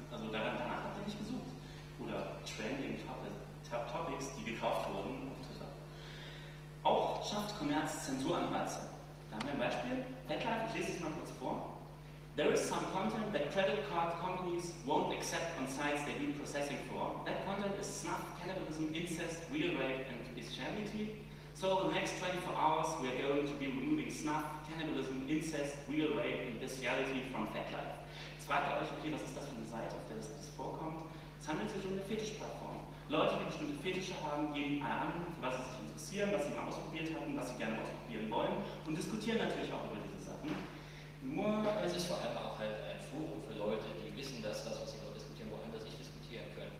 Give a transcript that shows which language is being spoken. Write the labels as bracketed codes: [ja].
[de] Also danach habt ihr nicht gesucht. Oder Trending Topics, die gekauft wurden auf Twitter. Auch schafft Commerz Zensuranreize. Da haben wir ein Beispiel. Headline, ich lese es mal kurz vor. [en] There is some content that credit card companies won't accept on sites they've been processing for. That content is snuff, cannibalism, incest, real rape and bestiality. So the next 24 hours we are going to be removing snuff, cannibalism, incest, real rape and bestiality from FetLife. [de] Jetzt fragt ihr euch, okay, was ist das für eine Seite, auf der das vorkommt? Es handelt sich um eine Fetischplattform. Leute, die bestimmte Fetische haben, geben an, für was sie sich interessieren, was sie mal ausprobiert haben, was sie gerne ausprobieren wollen und diskutieren natürlich auch über diese Sachen. Nur es ist vor allem auch halt ein Forum für Leute, die wissen, dass das, was sie dort diskutieren, woanders nicht diskutieren können.